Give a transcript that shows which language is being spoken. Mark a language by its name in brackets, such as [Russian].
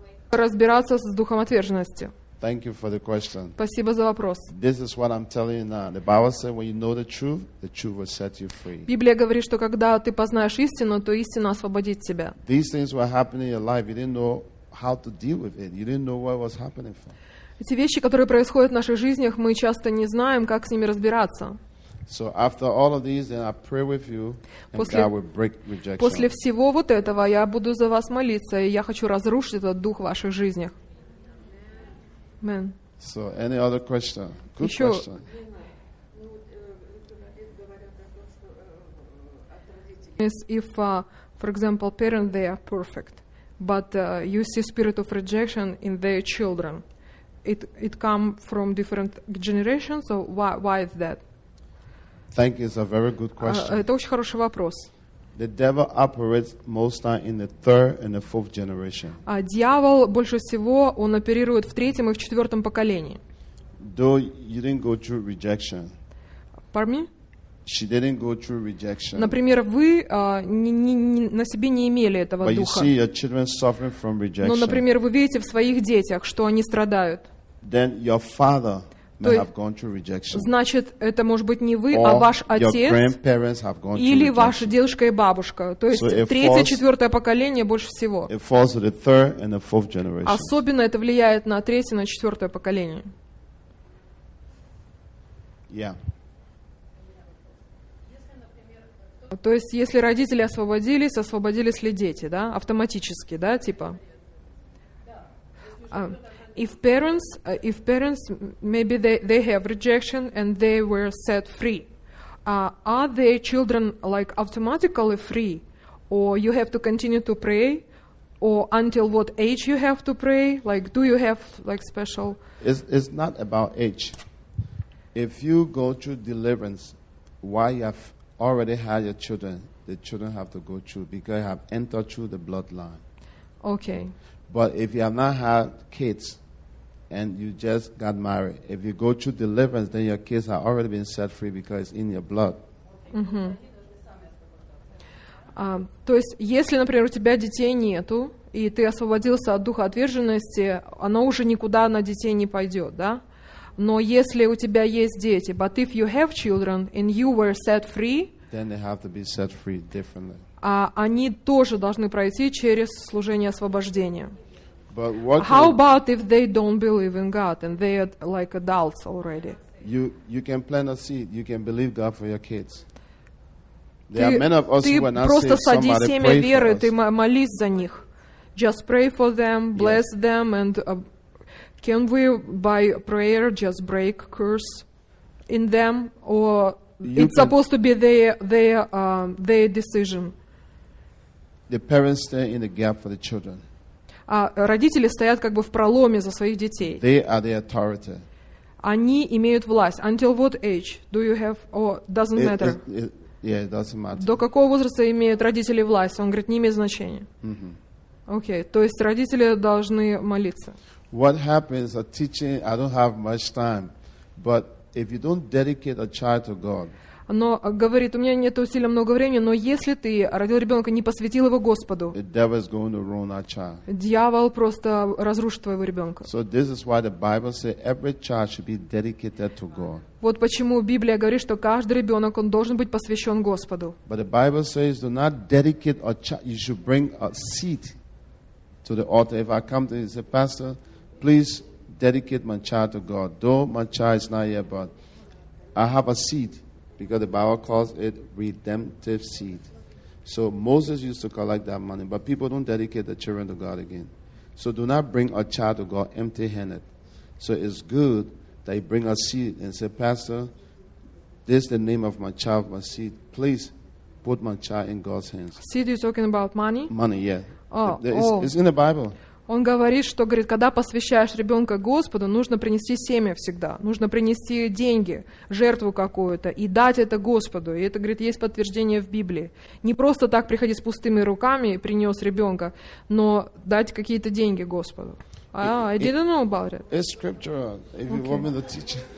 [Russian] Разбираться с духом отверженности. [English] Thank you for the question. [Russian] Спасибо за вопрос. [English] This is what I'm telling you now. The Bible says, when you know the truth will set you free. [Russian] Библия говорит, что когда ты познаешь истину, то истина освободит тебя. [English] These things were happening in your life. You didn't know how to deal with it. You didn't know what was happening for. [Russian] Эти вещи, которые происходят в наших жизнях, мы часто не знаем, как с ними разбираться. [English] So after all of these, then I pray with you, [Russian] после, [English] and God will break rejection. [Russian] После всего вот этого я буду за вас молиться, и я хочу разрушить этот дух в ваших жизнях. [English] Amen. So any other question? Good [Russian] Еще... [English] question. If, for example, parents, they are perfect, but you see spirit of rejection in their children. It come from different generations, so why is that? Thank you, it's a very good question. [Russian] Это очень хороший вопрос. [English] The devil operates most in the third and the fourth generation. [Russian] Дьявол больше всего он оперирует в третьем и в четвертом поколении. [English] Though you didn't go through rejection. Pardon me? She didn't go through rejection. [Russian] Например, вы на себе не имели этого [English] But [Russian] духа. [English] You see your children suffering from rejection. [Russian] Но, например, вы видите в своих детях, что они страдают. [English] Then your father may have gone through rejection. [Russian] Значит, это может быть не вы, а ваш отец, [English] your grandparents have gone through [Russian] или ваша дедушка и бабушка. То есть третье, четвертое поколение больше всего. [English] It falls to the third and the fourth generation. [Russian] Особенно это влияет на третье, на четвертое поколение. [English] Yeah. [Russian] То есть, если родители освободились, освободились ли дети, да, автоматически, да, типа? [English] If parents, maybe they have rejection and they were set free, are their children like automatically free, or you have to continue to pray, or until what age you have to pray? Like, do you have like special? It's not about age. If you go through deliverance, why you have already had your children, the children have to go through because you have entered through the bloodline. Okay. But if you have not had kids and you just got married, if you go through deliverance, then your kids have already been set free because it's in your blood. Mm-hmm. [Russian] То есть, если, например, у тебя детей нету, и ты освободился от духа отверженности, оно уже никуда на детей не пойдет, да? Но если у тебя есть дети, [English] but if you have children and you were set free, then they have to be set free differently. [Russian] Они тоже должны пройти через служение освобождения. [English] But what How about if they don't believe in God and they are like adults already? You can plant a seed. You can believe God for your kids. [Russian] Ты просто сади семя веры, ты молись за них. [English] Just pray for them, bless them, and can we by prayer just break curse in them, or it's supposed to be their decision? The parents stand in the gap for the children. [Russian] Родители стоят как бы в проломе за своих детей. [English] They are the authority. [Russian] Они имеют власть. [English] Until what age do you have, or doesn't matter? It doesn't matter. [Russian] До какого возраста имеют родители власть? Он говорит, не имеет значения. Окей, то есть родители должны молиться. [English] What happens at teaching, I don't have much time, but if you don't dedicate a child to God, [Russian] но говорит, у меня нет усилий много времени, но если ты родил ребенка, не посвятил его Господу, [English] the devil is going to ruin our child. [Russian] Дьявол просто разрушит твоего ребенка. [English] So this is why the Bible says every child should be dedicated to God. [Russian] Вот почему Библия говорит, что каждый ребенок, он должен быть посвящен Господу. [English] But the Bible says do not dedicate a child, you should bring a seed to the altar. If I come to you and say, Pastor, please dedicate my child to God. Though my child is not here, but I have a seed, because the Bible calls it redemptive seed. So Moses used to collect that money, but people don't dedicate their children to God again. So do not bring a child to God empty-handed. So it's good that you bring a seed and say, Pastor, this is the name of my child, my seed. Please put my child in God's hands. Seed, you're talking about money? Money, yeah. It's in the Bible. [Russian] Он говорит, что, говорит, когда посвящаешь ребенка Господу, нужно принести семя всегда, нужно принести деньги, жертву какую-то, и дать это Господу. И это, говорит, есть подтверждение в Библии. Не просто так приходи с пустыми руками и принес ребенка, но дать какие-то деньги Господу. [English] I didn't know about it. It's scriptural, if you want me to teach.